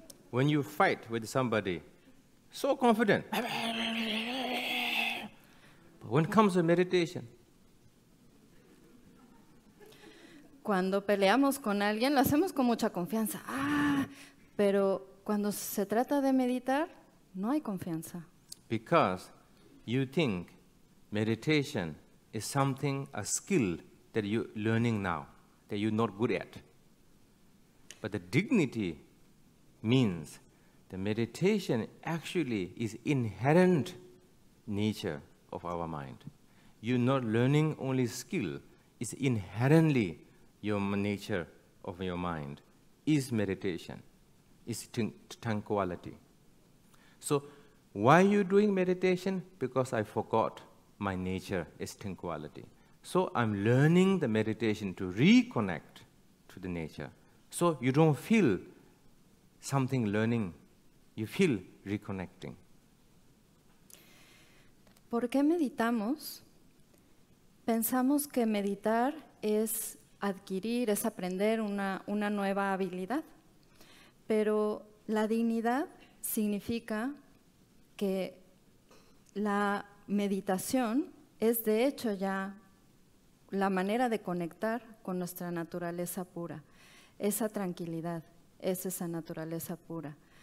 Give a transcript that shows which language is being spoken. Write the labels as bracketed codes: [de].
[en] When you fight with somebody, so confident. But when it comes to meditation. [es] Cuando peleamos con alguien, lo hacemos con mucha confianza. Pero cuando se trata de meditar, no hay confianza. [en] Because you think meditation is something, a skill that you're learning now, that you're not good at. But the dignity means the meditation actually is inherent nature of our mind. You're not learning only skill, it's inherently your nature of your mind is meditation, is tranquility. So why are you doing meditation? Because I forgot my nature is tranquility. So I'm learning the meditation to reconnect to the nature. So you don't feel something learning, you feel reconnecting. [es] ¿Por qué meditamos? Pensamos que meditar es adquirir, es aprender una nueva habilidad. Pero la dignidad significa que la meditación es de hecho ya la manera de conectar con nuestra naturaleza pura. Esa tranquilidad es esa naturaleza pura.